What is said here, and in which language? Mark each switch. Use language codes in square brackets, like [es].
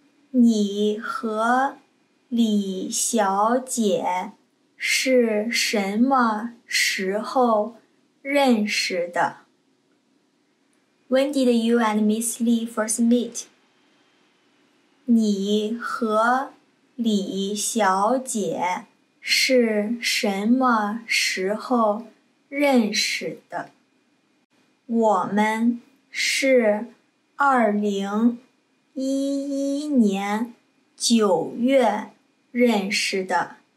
[zh] 你和李小姐是什么时候认识的? [en] When did you and Miss Lee first meet? [zh] 你和李小姐是什么时候认识的? 我们是2011年9月认识的。